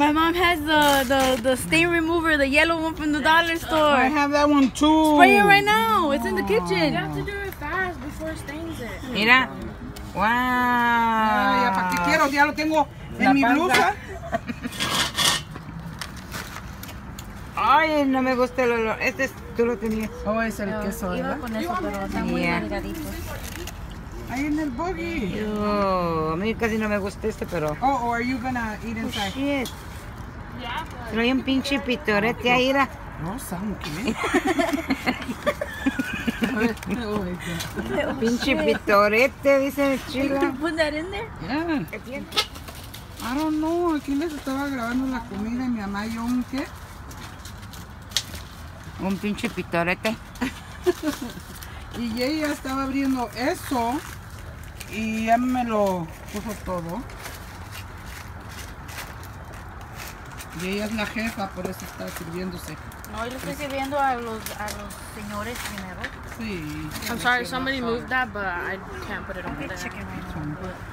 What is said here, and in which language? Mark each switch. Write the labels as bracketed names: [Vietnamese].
[English] My mom has the stain remover, the yellow one from the dollar store. I have that one too. Spray it right now. It's in the kitchen. You have to do it fast before it stains it. [Spanish] Mira. Wow. Ya para qué quiero, ya lo tengo en mi blusa. Ay, no me gusta el olor. Este es, tú lo tenías. Oh, es el queso, ¿verdad? Iba con eso, pero está muy delgadito. Ahí en el buggy. A mí casi no me gusta este, pero... [English] Oh, are you gonna eat inside? Oh, shit. [Spanish] Trae un pinche pitorete ahí, ¿la? No, Sam, ¿qué? Pinche pitorete, dice el chico. ¿Puedes poner en [English] there? Yeah. I don't know. [Spanish] Aquí les estaba grabando la comida y mi mamá y yo un qué. Un pinche pitorete. Y ella estaba abriendo eso y ya me lo puso todo. Y ella es la jefa, por eso está sirviéndose. No, yo estoy sirviendo a los señores primero. Sí. [English] I'm sorry, somebody moved that, but I can't put it on there.